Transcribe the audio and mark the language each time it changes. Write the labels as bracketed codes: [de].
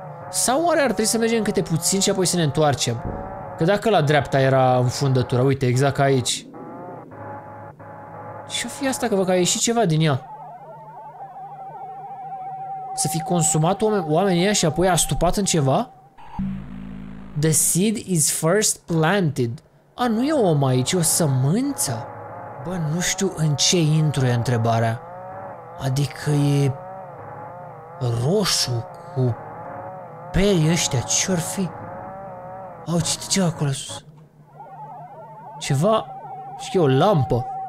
[ro] Sau oare ar trebui să mergem câte puțin și apoi să ne întoarcem? Că dacă la dreapta era în fundătura, uite, exact aici. Ce-o fi asta, că văd că a ieșit ceva din ea. Să fi consumat oamenii și apoi a stupat în ceva? [en] The seed is first planted. [ro] A, nu e om aici, e o sămânță. Bă, nu știu în ce intru e întrebarea. Adică e... roșu cu... perii ăștia, ce-or fi? Au citit ceva acolo sus. Ceva... știu că e o lampă.